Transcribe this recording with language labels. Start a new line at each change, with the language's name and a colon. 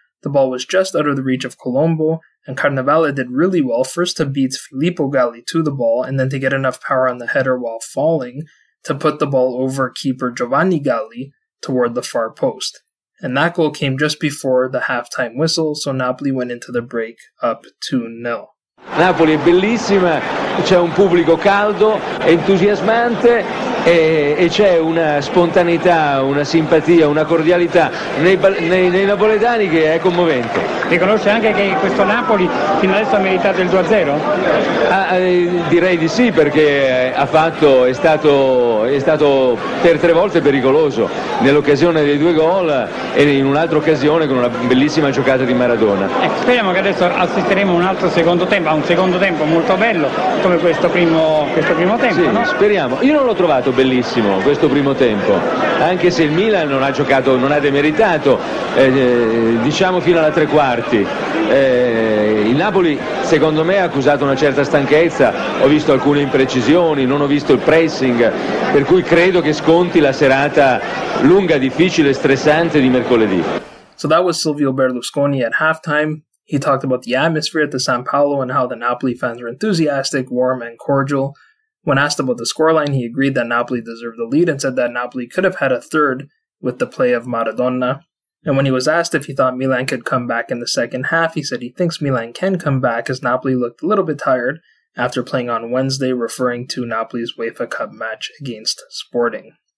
English: The ball was just out of the reach of Colombo, and Carnevale did really well first to beat Filippo Galli to the ball and then to get enough power on the header while falling to put the ball over keeper Giovanni Galli toward the far post. And that goal came just before the halftime whistle, so Napoli went into the break up 2-0.
Italian: Napoli è bellissima, c'è un pubblico caldo, entusiasmante e c'è una spontaneità, una simpatia, una cordialità nei napoletani che è commovente. Riconosce anche che questo Napoli fino adesso ha meritato il 2-0? Direi di sì, perché è stato per tre volte pericoloso nell'occasione dei due gol e in un'altra occasione con una bellissima giocata di Maradona. Speriamo che adesso assisteremo a un altro secondo tempo, a un secondo tempo molto bello come questo primo tempo. Sì, no? Speriamo. Io non l'ho trovato bellissimo questo primo tempo, anche se il Milan non ha giocato, non ha demeritato, diciamo fino alla tre quarti. Il Napoli secondo me ha accusato una certa stanchezza, ho visto alcune imprecisioni, non ho visto il pressing, per cui credo che sconti la serata lunga, difficile, stressante di mercoledì.
English: So that was Silvio Berlusconi at halftime. He talked about the atmosphere at the San Paolo and how the Napoli fans were enthusiastic, warm and cordial. When asked about the scoreline, he agreed that Napoli deserved the lead and said that Napoli could have had a third with the play of Maradona. And when he was asked if he thought Milan could come back in the second half, he said he thinks Milan can come back as Napoli looked a little bit tired after playing on Wednesday, referring to Napoli's UEFA Cup match against Sporting.